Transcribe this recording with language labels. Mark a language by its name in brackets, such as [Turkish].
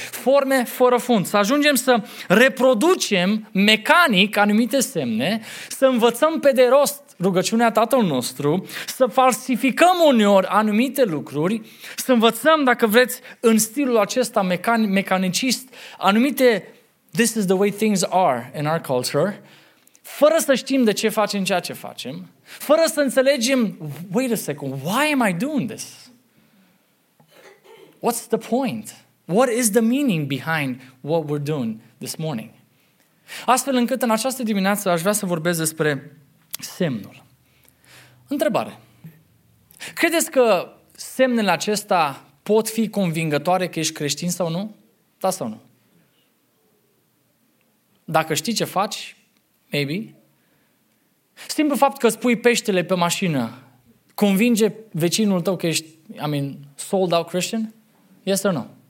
[Romanian] Forme fără fond, să ajungem să reproducem mecanic anumite semne, să învățăm pe de rost rugăciunea Tatăl nostru, să falsificăm uneori anumite lucruri, să învățăm, dacă vreți, în stilul acesta mecanicist, anumite. [English] This is the way things are in our culture. [Romanian] fără să știm de ce facem ceea ce facem, fără să înțelegem, [English] wait a second, why am I doing this? What's the point? What is the meaning behind what we're doing this morning? [Romanian] Astfel încât în această dimineață aș vrea să vorbesc despre semnul. Întrebare. Credeți că semnele acestea pot fi convingătoare că ești creștin sau nu? Da sau nu? Dacă știi ce faci, [English] maybe. [Romanian] Simplu fapt că spui peștele pe mașină, convinge vecinul tău că ești, [English] sold out Christian? Yes or no?